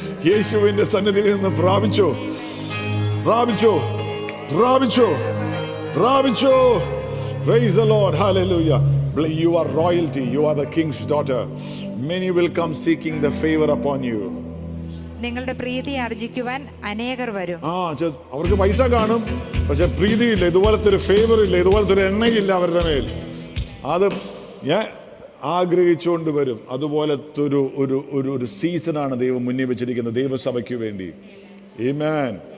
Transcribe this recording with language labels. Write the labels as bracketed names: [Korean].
[Malayalam] യേശുവിന്റെ സന്നിധിയിൽ നിന്ന് പ്രാപിച്ചു, പ്രാപിച്ചു, പ്രാപിച്ചു, പ്രാപിച്ചു. [English] Praise the Lord. Hallelujah. You are royalty. You are the king's daughter. Many will come seeking the favor upon you. [Malayalam] നിങ്ങളുടെ പ്രീതി ആർജിക്കുവാൻ അനേകർ വരും. അവർക്ക് പൈസ കാണും, പക്ഷെ പ്രീതി ഇല്ല, ഇതുപോലത്തെ ഒരു ഫേവർ ഇല്ല, ഇതുപോലത്തെ ഒരു എണ്ണയില്ല അവരുടെ മേൽ. അത് ഞാൻ ആഗ്രഹിച്ചുകൊണ്ട് വരും. അതുപോലത്തെ ഒരു ഒരു ഒരു ഒരു സീസണാണ് ദൈവം മുന്നിൽ വെച്ചിരിക്കുന്നത് ദൈവസഭയ്ക്ക് വേണ്ടി. ആമേൻ.